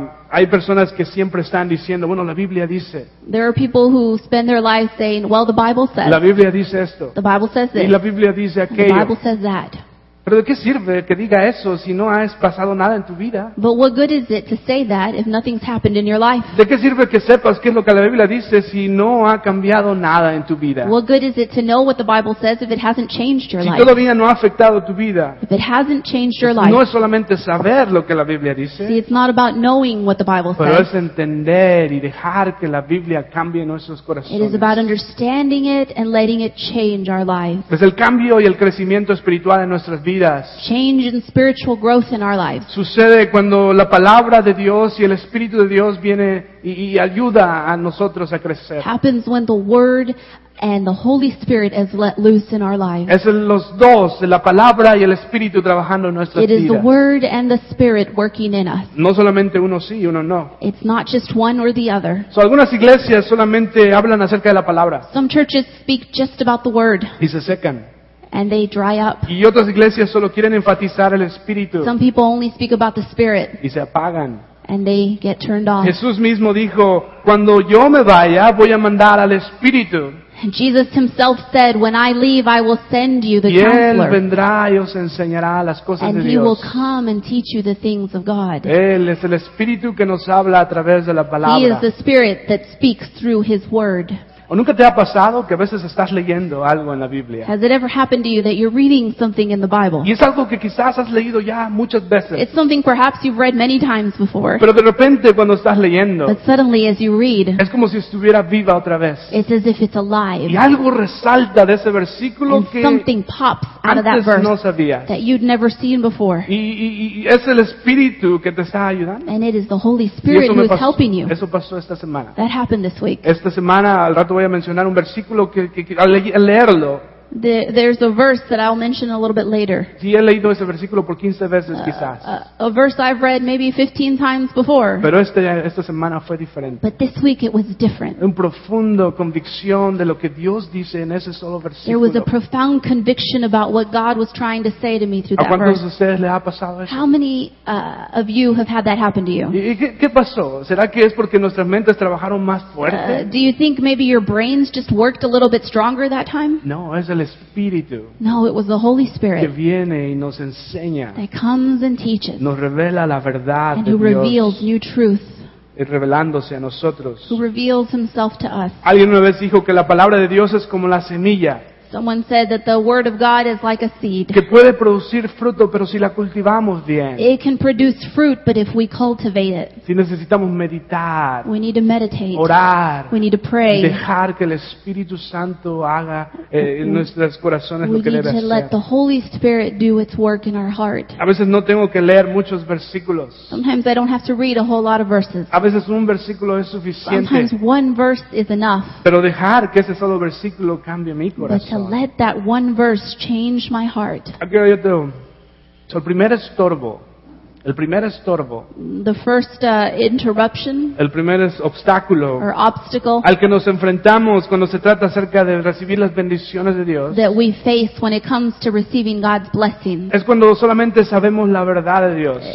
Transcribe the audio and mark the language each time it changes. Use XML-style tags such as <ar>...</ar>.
<es>Hay personas que siempre están diciendo, bueno, la Biblia dice.</es> <en>There are people who spend their lives saying, well, the Bible says.</en> <es>La Biblia dice esto.</es> <en>The Bible says this.</en> <es>Y la Biblia dice aquello.</es> <en>The Bible says that.</en> <es>Pero ¿de qué sirve que diga eso si no has pasado nada en tu vida?</es> <en>But what good is it to say that if nothing's happened in your life?</en> <es>¿De qué sirve que sepas qué es lo que la Biblia dice si no ha cambiado nada en tu vida?</es> <en>What good is it to know what the Bible says if it hasn't changed your</en> <es>si</es> <en>life?</en> <es>Si todavía no ha afectado tu vida.</es> <en>If it hasn't changed your life.</en> <es>No es solamente saber lo que la Biblia dice.</es> <en>See, it's not about knowing what the Bible</en> <es>pero</es> <en>says.</en> <es>Pero es entender y dejar que la Biblia cambie nuestros corazones.</es> <en>It is about understanding it and letting it change our lives.</en> <es>Pues el cambio y el crecimiento espiritual en nuestras vidas.</es> <en>Change and spiritual growth in our lives.</en> <es>Sucede cuando la palabra de Dios y el Espíritu de Dios viene y ayuda a nosotros a crecer.</es> <en>Happens when the word and the Holy Spirit is let loose in our lives.</en> <es>Es los dos, la palabra y el Espíritu trabajando en nuestras vidas.</es> <en>It is the word and the Spirit working in us.</en> <es>No solamente uno sí y uno no.</es> <en>It's not just one or the other.</en> <es>So algunas iglesias solamente hablan acerca de la palabra.</es> <en>Some churches speak just about the word.</en> <es>Y se secan.</es> <en>And they dry up.</en> <es>Y otras iglesias solo quieren enfatizar el Espíritu.</es> <en>Some people only speak about the Spirit.</en> <es>Y se apagan.</es> <en>And they get turned off.</en> <es>Jesús mismo dijo, cuando yo me vaya, voy a mandar al Espíritu.</es> <en>And Jesus himself said, when I leave, I will send you the</en> <es>y él</es> <en>Counselor.</en> <es>Vendrá y os enseñará las cosas</es> <en>and</en> <es>de</es> <en>he</en> <es>Dios.</es> <en>Will come and teach you the things of God.</en> <es>Él es el Espíritu que nos habla a través de la palabra.</es> <en>He is the Spirit that speaks through his word.</en> <es>¿O nunca te ha pasado que a veces estás leyendo algo en la Biblia?</es> <en>Has it ever happened to you that you're reading something in the Bible?</en> <es>Y es algo que quizás has leído ya muchas veces.</es> <en>It's something perhaps you've read many times before.</en> <es>Pero de repente cuando estás leyendo.</es> <en>But suddenly as you read.</en> <es>Es como si estuviera viva otra vez.</es> <en>It's as if it's alive.</en> <es>Y algo resalta de ese versículo</es> <en>and</en> <es>que</es> <en>something pops out of that verse</en> <es>no sabías.</es> <en>That you'd never seen before.</en> <es>Y es el Espíritu que te está ayudando.</es> <en>And it is the Holy Spirit who's helping you.</en> <es>Eso pasó esta semana.</es> <en>That happened this week.</en> <es>Esta semana al rato voy a mencionar un versículo que al leerlo.</es> <en>There's a verse that I'll mention a little bit later.</en> <es>Sí, he leído ese versículo por 15 veces quizás.</es> <en>A verse I've read maybe 15 times before.</en> <es>Pero esta semana fue diferente.</es> <en>But this week it was different.</en> <es>Un profundo convicción de lo que Dios dice en ese solo versículo.</es> <en>There was a profound conviction about what God was trying to say to me through that verse.</en> <es>¿A cuántos de ustedes le ha pasado eso?</es> <en>How many of you have had that happen to you?</en> <es>¿Y qué pasó? ¿Será que es porque nuestras mentes trabajaron más fuerte?</es> <en>Do you think maybe your brains just worked a little bit stronger that time?</en> <es>No, es el Espíritu.</es> <en>No, it was the Holy Spirit</en> <es>que viene y nos enseña,</es> <en>that comes and teaches,</en> <es>nos revela la verdad</es> <en>and who</en> <es>de</es> <en>reveals</en> <es>Dios,</es> <en>new truth,</en> <es>revelándose a nosotros.</es> <en>Who reveals himself to us.</en> <es>Alguien una vez dijo que la palabra de Dios es como la semilla.</es> <en>Someone said that the word of God is like a seed.</en> <es>Que puede producir fruto, pero si la cultivamos bien.</es> <en>It can produce fruit, but if we cultivate it.</en> <es>Si necesitamos meditar.</es> <en>We need to meditate.</en> <es>Orar.</es> <en>We need to pray.</en> <es>Dejar que el Espíritu Santo haga en nuestros corazones lo que debe hacer.</es> <en>We need to let the Holy Spirit do its work in our heart.</en> <es>A veces no tengo que leer muchos versículos.</es> <en>Sometimes I don't have to read a whole lot of verses.</en> <es>A veces un versículo es suficiente.</es> <en>Sometimes one verse is enough.</en> <es>Pero dejar que ese solo versículo cambie mi corazón.</es> <en>To let that one verse change my heart.</en> <es>El primer estorbo.</es> <en>The first interruption.</en> <es>El primer obstáculo.</es> <en>Or obstacle.</en> <es>Al que nos enfrentamos cuando se trata acerca de recibir las bendiciones de Dios.</es> <en>That we face when it comes to receiving God's blessing.</en> <es>Es cuando solamente sabemos la verdad de Dios.</es>